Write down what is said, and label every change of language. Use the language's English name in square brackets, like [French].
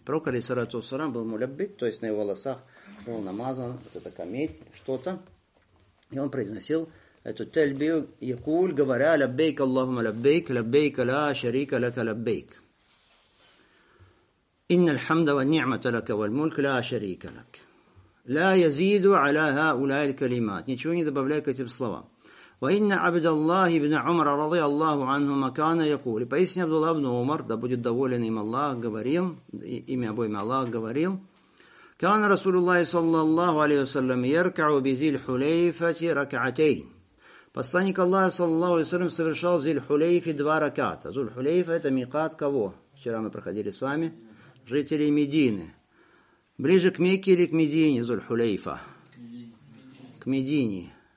[Russian] Пророк, алейхиссалату вассалям, был мулаббит, то есть на его волосах был намазан вот это кометь, что-то, и он произносил эту тальбию, якуль, говоря, лаббейк, Аллахума лаббейк, лаббейк, ла шарика лака лаббейк. [Arabic] إن الحمد والنعمة لك والملك لا شريك لك لا يزيد على هؤلاء الكلمات [Russian] ничего не добавляй к этим словам. [Arabic] وإن عبد الله بن عمر رضي الله عنهما كان يقول [Russian] поистине Абдулла ибн Умар, да будет доволен им Аллах, говорил [Arabic] имя обоим Аллах, говорил كان رسول الله صلى الله عليه وسلم يركع بذي الحليفة ركعتين. [Russian] Посланник Аллаха саллаллаху алейхи ва саллям совершал ذي الحليفة два раката. ذو الحليفة это миқат кого? Вчера мы проходили с вами жителей Медины. Ближе к Мекке или к Медине, Зуль-Хулейфа? К Медине.